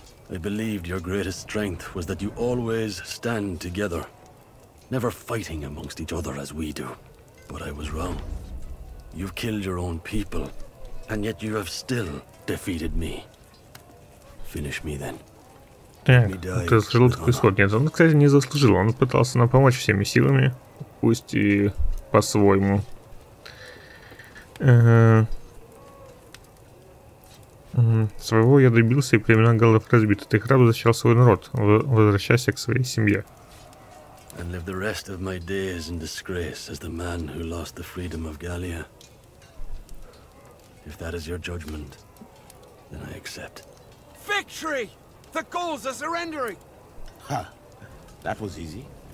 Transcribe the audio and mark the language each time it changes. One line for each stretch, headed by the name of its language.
English: I believed your greatest strength was that you always stand together, never fighting amongst each other as we do. But I was wrong. You've killed your own people, and yet you have still defeated me. Finish me then.
Russian: Так, ты заслужил такой исход. Нет, он, кстати, не заслужил. Он пытался нам помочь всеми силами, пусть и по-своему. Своего я добился, и племена галлов разбиты. Ты храбро защищал свой народ, возвращайся к своей семье.
English: And live the rest of my days in disgrace as the man who lost the freedom of Gallia. If that is your judgment, then I accept. Victory! The Gauls are surrendering! Ha! Huh. That was easy.